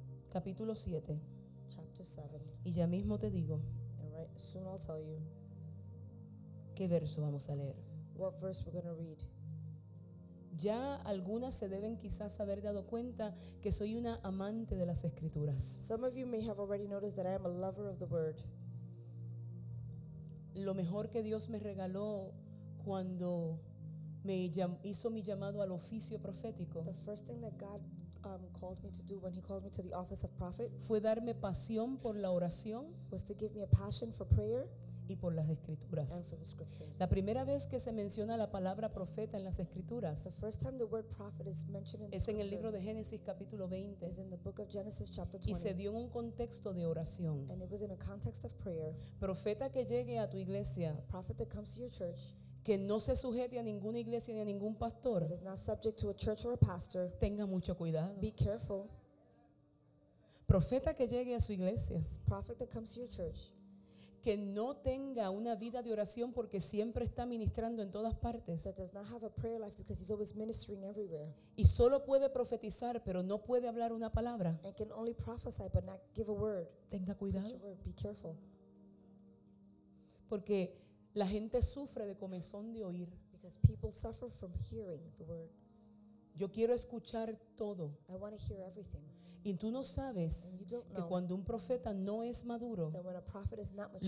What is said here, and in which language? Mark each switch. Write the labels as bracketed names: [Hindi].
[Spanish] Capítulo 7. [English] Chapter 7. [Spanish] Y ya mismo te digo. [English] And right, soon I'll tell you. [Spanish] ¿Qué verso vamos a leer? [English] What verse we're going to read? [Spanish] Ya algunas se deben quizás haber dado cuenta que soy una amante de las Escrituras. [English] Some of you may have already noticed that I am a lover of the Word. [Spanish] Lo mejor que Dios me regaló cuando me hizo mi llamado al oficio profético. [English] The first thing that God called me to do when he called me to the office of prophet [Spanish] fue darme pasión por la oración. [English] Was to give me a passion for prayer. [Spanish] y por las escrituras. [English] And for the scriptures. [Spanish] La primera vez que se menciona la palabra profeta en las escrituras es en el libro de Génesis capítulo 20, [English] is in the book of Genesis, chapter 20. [Spanish] Y se dio en un contexto de oración. [English] And it was in a context of prayer. [Spanish] Profeta que llegue a tu iglesia. [English] A prophet that comes to your church. [Spanish] Que no se sujete a ninguna iglesia ni a ningún pastor. [English] That is not subject to a church or a pastor. [Spanish] Tenga mucho cuidado. [English] Be careful. [Spanish] Profeta que llegue a su iglesia. [English] Prophet that comes to your church. [Spanish] Que no tenga una vida de oración porque siempre está ministrando en todas partes. [English] That does not have a prayer life because he's always ministering everywhere. [Spanish] Y solo puede profetizar, pero no puede hablar una palabra. [English] And can only prophesy but not give a word. [Spanish] Tenga cuidado. [English] Preach a word. Be careful. [Spanish] Porque la gente sufre de comezón de oír. [English] Because people suffer from hearing the words. [Spanish] Yo quiero escuchar todo. [English] I want to hear everything. [Spanish] Y tú no sabes que cuando un profeta no es maduro, [English] mature,